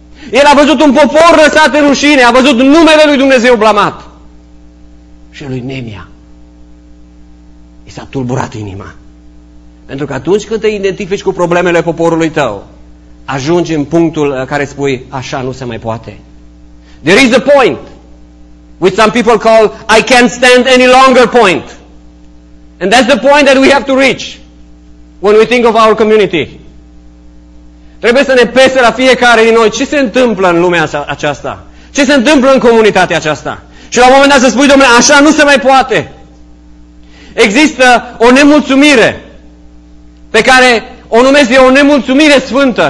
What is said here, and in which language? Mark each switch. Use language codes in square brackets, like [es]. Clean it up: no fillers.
[ro] El a văzut un popor lăsat în rușine. A văzut numele lui Dumnezeu blamat. Și lui Neemia i s-a tulburat inima. Pentru că atunci când te identifici cu problemele poporului tău, ajungi în punctul în care spui, așa nu se mai poate. [en] There is a point which some people call I can't stand any longer point. And that's the point that we have to reach when we think of our community. [ro] Trebuie să ne pese la fiecare din noi ce se întâmplă în lumea aceasta. Ce se întâmplă în comunitatea aceasta. Și la un moment dat să spui, domnule, așa nu se mai poate. Există o nemulțumire pe care o numesc eu o nemulțumire sfântă.